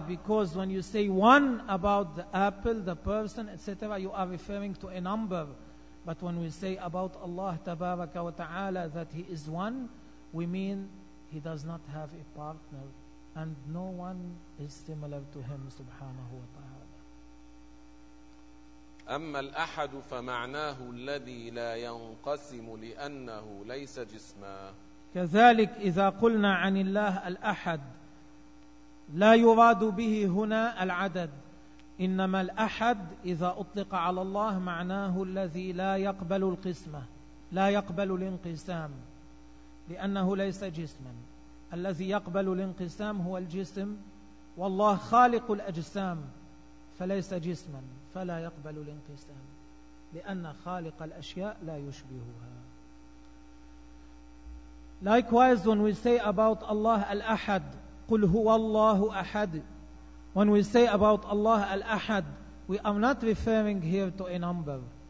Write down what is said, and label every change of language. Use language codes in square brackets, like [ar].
[en] Because when you say one about the apple, the person, etc., you are referring to a number. But when we say about Allah Tabaraka wa Ta'ala that He is one, we mean He does not have a partner and no one is similar to Him Subhanahu wa Ta'ala. [ar] أما الأحد فمعناه الذي لا ينقسم لأنه ليس جسما. كذلك إذا قلنا عن الله الأحد لا يراد به هنا العدد، إنما الأحد إذا أطلق على الله معناه الذي لا يقبل القسمة، لا يقبل الانقسام، لأنه ليس جسما. الذي يقبل الانقسام هو الجسم، والله خالق الأجسام فليس جسما فلا يقبل الانقسام، لأن خالق الأشياء لا يشبهها. [en] Likewise, when we say about Allah Al-Ahad, [ar] قل هو الله أحد. [en] When we say about Allah Al-Ahad, we are not referring here to a number.